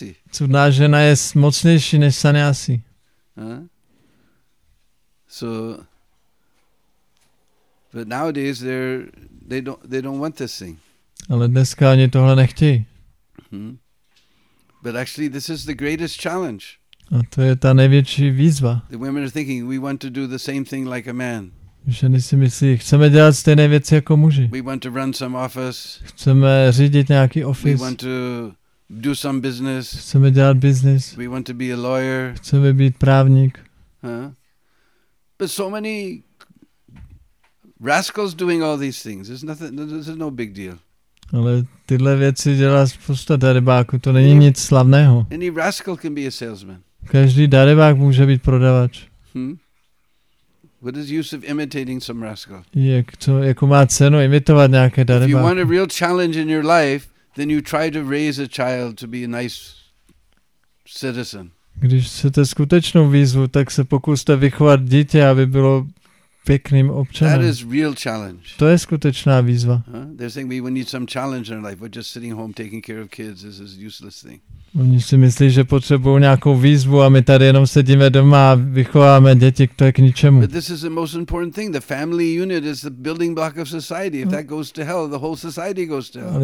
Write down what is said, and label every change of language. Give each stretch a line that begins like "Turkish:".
Czech: Cudná žena je mocnější než sannyasi.
English: So, but nowadays they don't want this thing.
Czech: Ale dneska oni tohle nechtějí.
English: But actually this is the greatest challenge.
Czech: A to je ta největší výzva.
English: The women are thinking we want to do the same thing like a man.
Czech: Ženy si myslí, chceme dělat stejné věci jako muži.
English: We want to run some office.
Czech: Chceme řídit nějaký office.
English: We want to do some business.
Czech: Chceme dělat business.
English: We want to be a lawyer.
Czech: Chceme být právník.
English: But so many rascals doing all these things. There's nothing. This is no big deal.
Czech: Ale tyhle věci dělá spousta darebáků. To není nic slavného.
English: Any rascal can be a salesman.
Czech: Každý darebák může být prodavač.
English: What is the use of imitating some rascal?
Czech: Jak to, jakou má cenu imitovat nějaké darebáky?
English: If you want a real challenge in your life, then you try to raise a child to be a nice citizen.
Czech: Když chcete skutečnou výzvu, tak se pokuste vychovat dítě, aby bylo pěkným občanem.
English: That is real challenge.
Czech: To je skutečná výzva.
English: They're saying we need some challenge in our life. We're just sitting home taking care of kids. This is useless thing.
Czech: Oni si myslí, že potřebují nějakou výzvu a my tady jenom sedíme doma a vychováme děti, to je k ničemu.
English: But this is the most important thing. The family unit is the building block of society. If that goes to hell, the whole society goes to hell.